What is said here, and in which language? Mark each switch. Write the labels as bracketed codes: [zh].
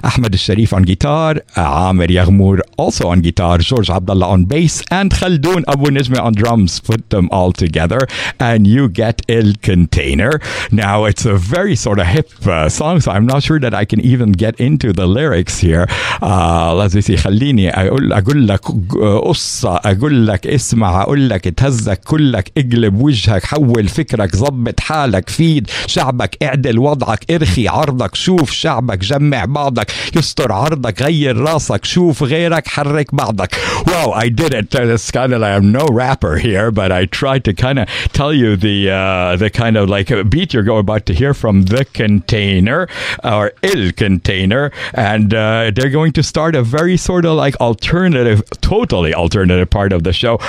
[en] Ahmed Sharif on guitar, Amir Yaghmour also on guitar, George Abdullah on bass, and Khaldoun Abu Nizmi on drums. Put them all together and you get El Container. Now, it's a very sort of hip song, so I'm not sure that I can even get into the lyrics here. Let's see. [ar] خليني أقول لك قصة أقول لك اسمع أقول لك اتهزك كلك اقلب وجهك حول فكرك ضبط حالك فيد شعبك اعدل وضعك ارخي عرضك شوف شعبك جمع بعضك يستر عرضك غير راسك شوف غيرك حرك بعضك. [en] Wow, I did it. It's kind of like I'm no rapper here, but I tried to kind of tell you the kind of like beat you're about to hear from The Container or Il Container, and they're going to start a very sort of like alternative, totally alternative part of the show.